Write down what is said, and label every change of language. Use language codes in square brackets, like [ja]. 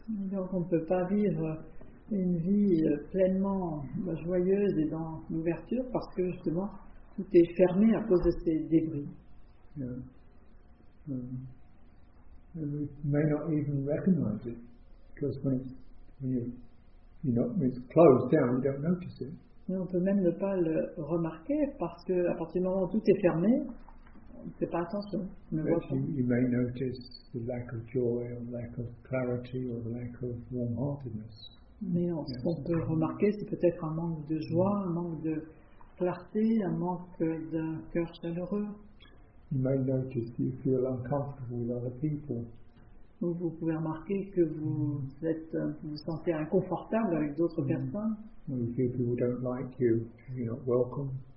[fr] Donc on ne peut pas vivre une vie pleinement joyeuse et dans l'ouverture parce que justement tout est fermé à cause de ces débris. [en] And we may not even recognize it, because when it's when it's closed down, you don't notice it. [fr] Mais on peut même ne pas le remarquer parce que à partir du moment où tout est fermé, on ne fait pas attention. [en] You may notice the lack of joy, or lack of clarity, or the lack of warm-heartedness. [fr] Mais ce qu'on peut remarquer, c'est peut-être un manque de joie, un manque de clarté, un manque d'un cœur chaleureux. [en] You may notice that you feel uncomfortable with other people. [fr] Ou vous pouvez remarquer que vous sentez inconfortable avec d'autres personnes. [en] Or you feel people don't like you, you're not welcome.